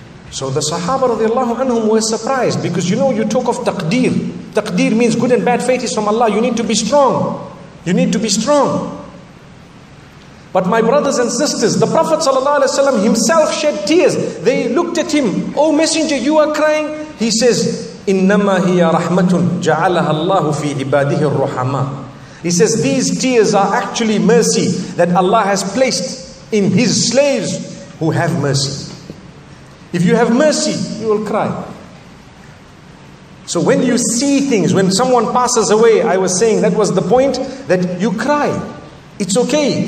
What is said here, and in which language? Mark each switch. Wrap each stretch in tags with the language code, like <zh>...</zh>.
<en>So the Sahaba radiallahu anhum were surprised because you know you talk of taqdeer. Taqdeer means good and bad fate is from Allah. You need to be strong. You need to be strong. But my brothers and sisters, the Prophet sallallahu alaihi wasallam himself shed tears. They looked at him. Oh messenger, you are crying. He says,</en> <ar>إِنَّمَا هِيَ رَحْمَةٌ جَعَلَهَا اللَّهُ فِي عِبَادِهِ الرُّحَمَى.</ar> <en>He says, these tears are actually mercy that Allah has placed in His slaves who have mercy. If you have mercy, you will cry. So when you see things, when someone passes away, I was saying that was the point that you cry. It's okay.</en>